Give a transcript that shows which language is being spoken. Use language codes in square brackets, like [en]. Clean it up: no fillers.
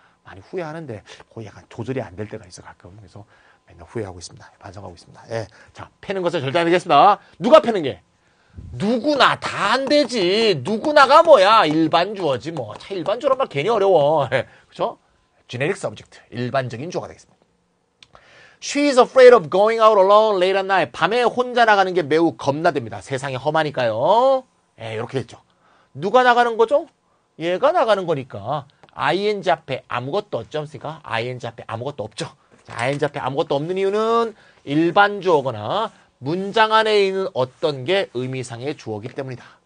[ko] 많이 후회하는데 거의 약간 조절이 안 될 때가 있어 가끔. 그래서 맨날 후회하고 있습니다. 반성하고 있습니다. 예. 자, 패는 것은 절대 안 되겠습니다. 누가 패는 게? 누구나 다 안 되지. 누구나가 뭐야. 일반 주어지 뭐. 차 일반 주어란 말 괜히 어려워. 그쵸? generic subject. 일반적인 주어가 되겠습니다. [en] She is afraid of going out alone late at night. [ko] 밤에 혼자 나가는 게 매우 겁나됩니다. 세상이 험하니까요. 예, 이렇게 됐죠. 누가 나가는 거죠? 얘가 나가는 거니까. ing 앞에 아무것도 없지 않습니까? ing 앞에 아무것도 없죠. 자, ing 앞에 아무것도 없는 이유는 일반 주어거나 문장 안에 있는 어떤 게 의미상의 주어이기 때문이다.